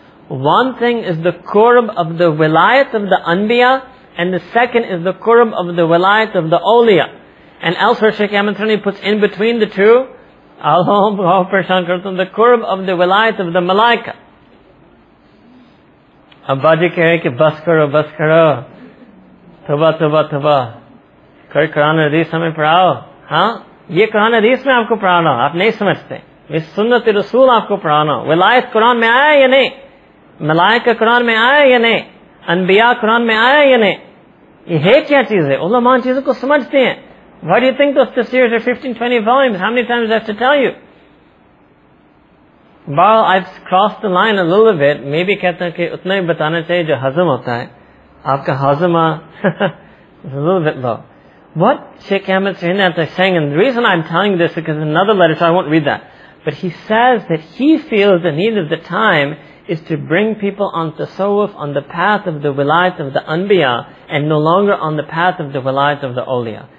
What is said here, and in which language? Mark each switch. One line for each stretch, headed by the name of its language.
English: One thing is the qurb of the wilayat of the anbiya, and the second is the qurb of the wilayat of the awliya. And elsewhere Shaykh Ahmed Thani puts in between the two, the qurb of the wilayat of the malaika.
Urdu: Abaji کرے کی بس کرو، توبہ توبہ توبہ۔ کرے قرآن حدیث سمے پڑھاؤ، ہہ؟ یہ قرآن حدیث میں آپ کو پڑھانا، آپ نہیں سمجھتے۔ یہ سنت رسول آپ کو پڑھانا۔ ولایت قرآن میں آیا یا نہیں؟ ملائکہ قرآن میں آیا یا نہیں؟ انبیا قرآن میں آیا یا نہیں؟ یہ ہے کیا چیز ہے؟ علما ان چیزوں کو سمجھتے ہیں۔
English: Why do you think those tafsirs are 15-20 volumes? How many times do I have to tell you? Well, I've crossed the line a little bit.
Urdu: Maybe کہتا کہ اتنا ہی بتانا چاہیے جو ہضم ہوتا ہے۔ Aapka hazma
English: is a little bit low. What Sheikh Ahmed Srinath is saying, and the reason I'm telling this is because another letter, so I won't read that. But he says that he feels the need of the time is to bring people on tasawwuf, on the path of the wilayat of the anbiya, and no longer on the path of the wilayat of the awliya.